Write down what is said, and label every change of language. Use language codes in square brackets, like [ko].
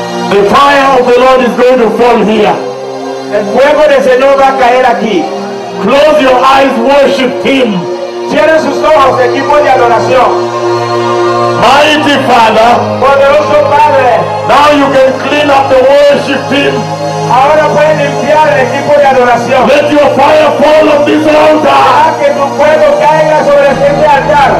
[en] The fire of the Lord is going to fall here. [es] El fuego del Señor va a caer aquí. [en] Close your eyes, worship team. [es] Cierre sus ojos, equipo de adoración. [en] Mighty Father, [es] poderoso Padre, [en] now you can clean up the worship team. [es] Ahora pueden limpiar el equipo de adoración. [en] Let your fire fall on this altar. [es] Deja que tu fuego caiga sobre este altar.